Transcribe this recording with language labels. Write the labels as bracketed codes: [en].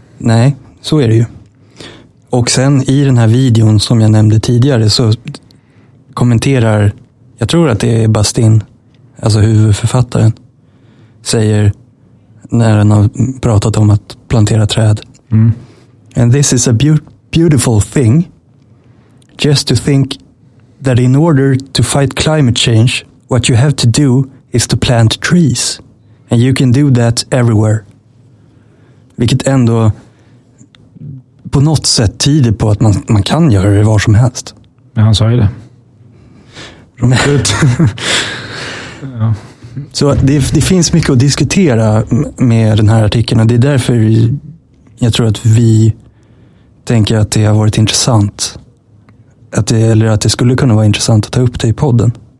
[sv] Nej, så är det ju. Och sen i den här videon som jag nämnde tidigare så kommenterar, jag tror att det är Bastin, alltså huvudförfattaren, säger när han har pratat om att plantera träd. Mm. [en] And this is a beautiful thing. Just to think that in order to fight climate change, what you have to do is to plant trees. And you can do that everywhere. [sv] Vilket ändå på något sätt tyder på att man kan göra det var som helst. Men han sa ju det. Så det finns mycket att diskutera med den här artikeln, och det är därför jag tror att vi tänker att det har varit intressant att det, eller att det skulle kunna vara intressant att ta upp det i podden.